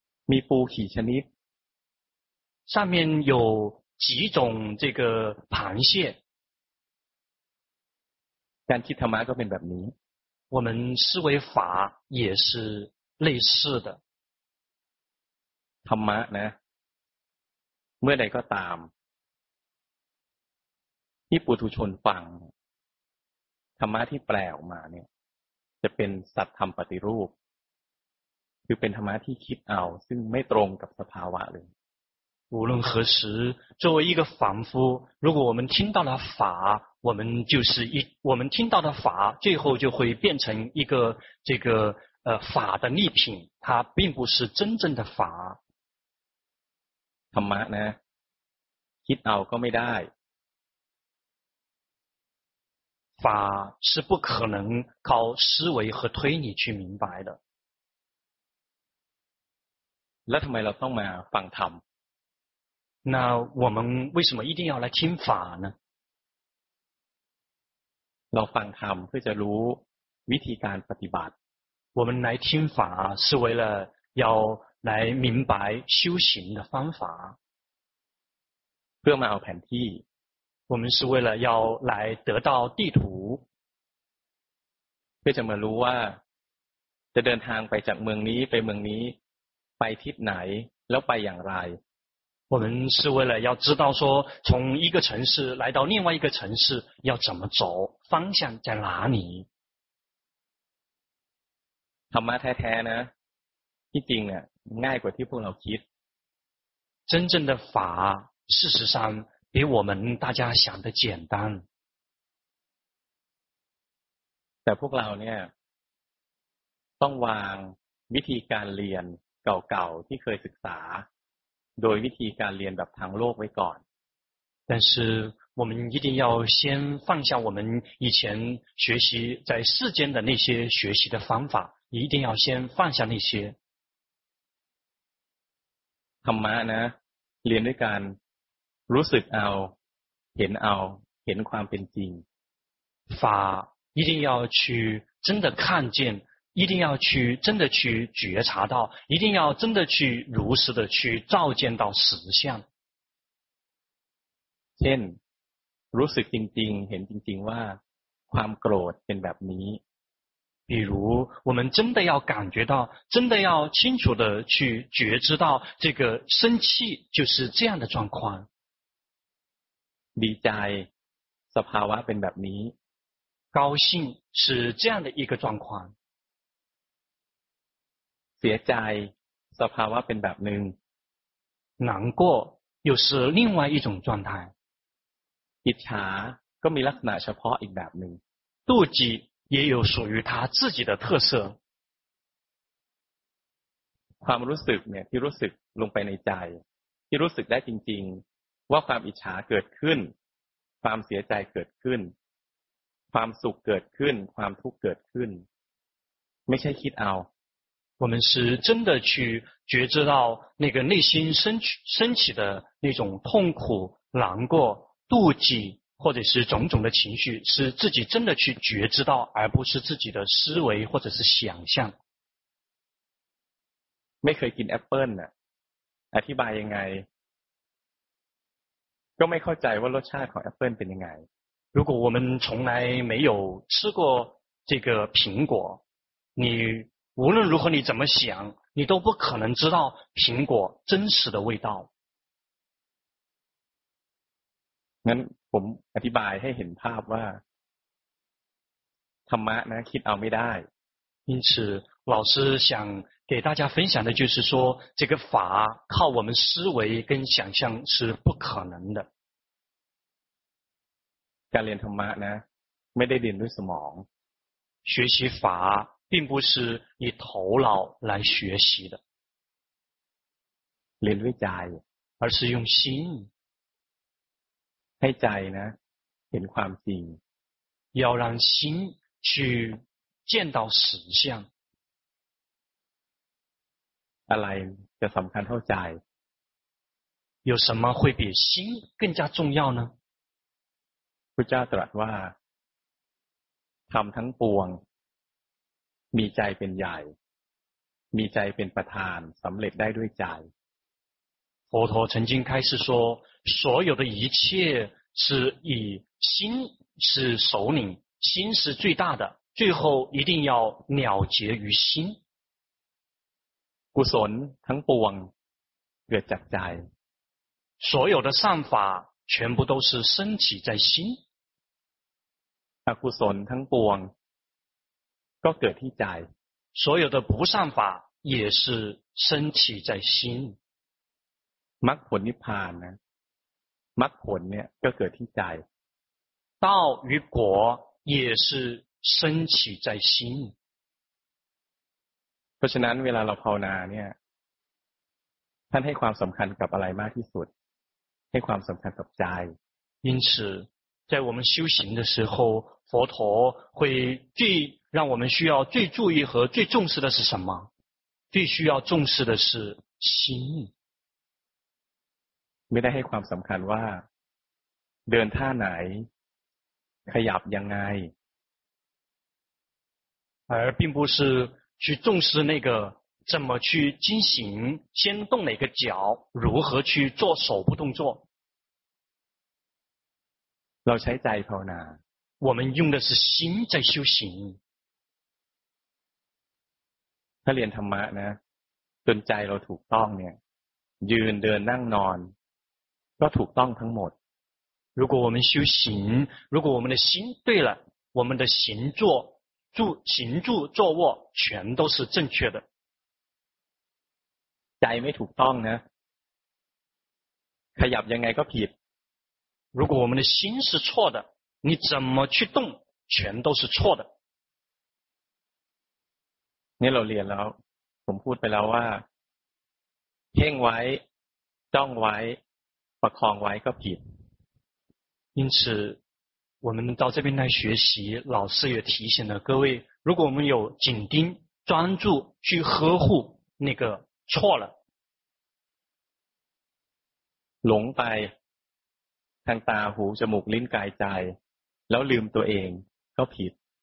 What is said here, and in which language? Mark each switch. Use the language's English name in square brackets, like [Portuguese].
[Thai] มีปูกี่ชนิด [Chinese] 上面有几种这个螃蟹 [Thai] การคิดธรรมะก็เป็นแบบนี้ [Chinese] 我们思维法也是类似的 [Thai] ธรรมะนะเมื่อใดก็ตามที่ปุถุชนฟังธรรมะที่แปลออกมาเนี่ยจะเป็นสัจธรรมปฏิรูปคือเป็นธรรมะที่คิดเอาซึ่งไม่ตรงกับสภาวะเลย [Chinese] 无论何时作为一个凡夫如果我们听到了法我们就是一我们听到的法最后就会变成一个这个法的逆品它并不是真正的法 [Thai] ธรรมะนะคิดเอาก็ไม่ได้ [Chinese] 法是不可能靠思维和推理去明白的。 [Thai] แล้วทำไมเราต้องมาฟังธรรม [Chinese] 那我们为什么一定要来听法呢 [Thai] เราฟังธรรมเพื่อจะรู้วิธีการปฏิบัติ [Chinese] 我们来听法是为了要来明白修行的方法 [Thai] เพื่อมาเอาแผนที่ [Chinese] 我们是为了要来得到地图 [Thai] เพื่อจะมารู้ว่าจะเดินทางไปจากเมืองนี้ไปเมืองนี้ไปทิศไหนแล้วไปอย่างไร [Chinese] 我们是为了要知道说从一个城市来到另外一个城市要怎么走方向在哪里 [Thai] ธรรมะแท้ๆนะที่จริงเนี่ยง่ายกว่าที่พวกเราคิด [Chinese] 真正的法事实上比我们大家想的简单 [Thai] แต่พวกเราเนี่ยต้องวางวิธีการเรียนเก่าๆที่เคยศึกษาโดยวิธีการเรียนแบบทางโลกไว้ก่อน [Chinese] 但是我们一定要先放下我们以前学习在世间的那些学习的方法一定要先放下那些 [Thai] ธรรมะนะเรียนด้วยการรู้สึกเอาเห็นเอาเห็นความเป็นจริง [Chinese] 法一定要去真的看见一定要去真的去觉察到一定要真的去如实的去照见到实相 [Thai] เช่นรู้สึกจริงๆเห็นจริงๆว่าความโกรธเป็นแบบนี้ [Chinese] 比如我们真的要感觉到真的要清楚的去觉知到这个生气就是这样的状况 [Thai] ดีใจสภาวะเป็นแบบนี้ [Chinese] 高兴是这样的一个状况 [Thai] เสียใจสภาวะเป็นแบบนึง [Chinese] 难过又是另外一种状态 [Thai] อิจฉาก็มีลักษณะเฉพาะอีกแบบนึง [Chinese] 妒忌也有属于他自己的特色 [Thai] ความรู้สึกเนี่ยที่รู้สึกลงไปในใจที่รู้สึกได้จริงๆว่าความอิจฉาเกิดขึ้นความเสียใจเกิดขึ้นความสุขเกิดขึ้นความทุกข์เกิดขึ้นไม่ใช่คิดเอา [Chinese] 我们是真的去觉知到那个内心升起的那种痛苦难过妒忌或者是种种的情绪是自己真的去觉知到而不是自己的思维或者是想象 [Thai] ไม่เคยกินแอปเปิ้ลน่ะอธิบายยังไงก็ไม่เข้าใจว่ารสชาติของแอปเปิ้ลเป็นยังไง [Chinese] 如果我们从来没有吃过这个苹果你无论如何你怎么想你都不可能知道苹果真实的味道 [Thai] งั้นผมอธิบายให้เห็นภาพว่าธรรมะนะคิดเอาไม่ได้ [Chinese] 因此老师想给大家分享的就是说这个法靠我们思维跟想象是不可能的 [Thai] การเรียนธรรมะนะไม่ได้เรียนด้วยสมอง [Chinese] 学习法并不是以头脑来学习的 [Thai] เรียนด้วยใจ [Chinese] 而是用心 [Thai] ให้ใจนะเห็นความจริง [Chinese] 要让心去见到实相 [Thai] อะไรจะสำคัญเท่าใจ [Chinese] 有什么会比心更加重要呢 [Thai] พระเจ้าตรัสว่าธรรมทั้งปวงมีใจเป็นใหญ่มีใจเป็นประธานสำเร็จได้ด้วยใจ [Chinese] 佛陀曾经开始说所有的一切是以心是首领心是最大的最后一定要了结于心 [Thai] กุศลทั้งปวงเกิดจากใจ [Chinese] 所有的善法全部都是升起在心 [Thai] อกุศลทั้งปวงก็เกิดที่ใจ [Chinese] 所有的不善法也是升起在心 [Thai] มรรคผลนิพพานนะมรรคผลเนี่ยก็เกิดที่ใจ [Chinese] 道与果也是升起在心 [Thai] เพราะฉะนั้นเวลาเราภาวนาเนี่ยท่านให้ความสำคัญกับอะไรมากที่สุดให้ความสำคัญกับใจ [Chinese] 因此在我们修行的时候佛陀会最让我们需要最注意和最重视的是什么最需要重视的是心 [Thai] ไม่ได้ให้ความสำคัญว่าเดินท่าไหนขยับยังไง [Chinese] 而并不是去重视那个怎么去进行先动哪个脚如何去做手部动作 [Thai] เราใช้ใจภาวนา [Chinese] 我们用的是心在修行 [Thai] ถ้าเรียนธรรมะนะจนใจเราถูกต้องเนี่ยยืนเดินนั่งนอนก็ถูกต้องทั้งหมด [Chinese] 如果我们修行如果我们的心对了我们的行坐行住坐卧全都是正确的 [Thai] ใจไม่ถูกต้องนะขยับยังไงก็ผิด [Chinese] 如果我们的心是错的你怎么去动全都是错的 [Thai] นี่เราเรียนแล้วผมพูดไปแล้วว่าเพ่งไว้จ้องไว้ประคองไว้ก็ผิด [Chinese] 因此我们到这边来学习老师也提醒了各位如果我们有紧盯专注去呵护那个错了龙拜看大湖这木林改在老林多眼高皮